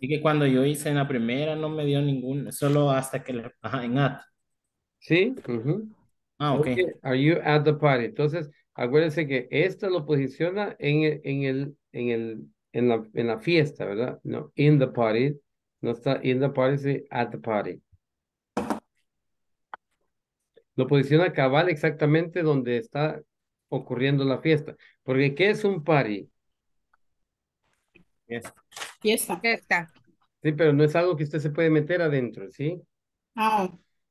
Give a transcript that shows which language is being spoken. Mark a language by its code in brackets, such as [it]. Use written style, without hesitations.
[es] Y que cuando yo hice en la primera no me dio ninguna, solo hasta que la, ajá, en at. ¿Sí? Uh-huh. Ah, okay. [en] Are you at the party? [es] Entonces, acuérdense que esto lo posiciona en la fiesta, ¿verdad? [en] No, in the party. [es] No está [en] in the party, sí, at the party. [es] Lo posiciona cabal exactamente donde está ocurriendo la fiesta. Porque, ¿qué es un party? Fiesta. Fiesta. Sí, pero no es algo que usted se puede meter adentro, ¿sí? No.